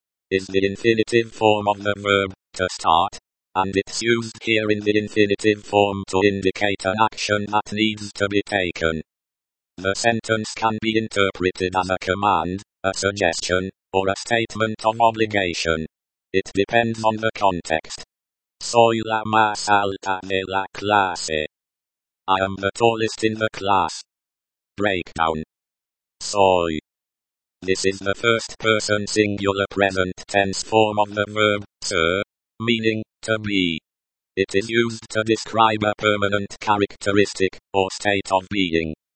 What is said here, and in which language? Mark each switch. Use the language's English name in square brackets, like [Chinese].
[English] is the infinitive form of the verb to start, and it's used here in the infinitive form to indicate an action that needs to be taken. The sentence can be interpreted as a command, a suggestion, or a statement of obligation. It depends on the context. [Spanish] Soy la más alta de la clase. [English] I am the tallest in the class. Breakdown. [Spanish] Soy. [English] This is the first person singular present tense form of the verb ser, meaning to be. It is used to describe a permanent characteristic or state of being.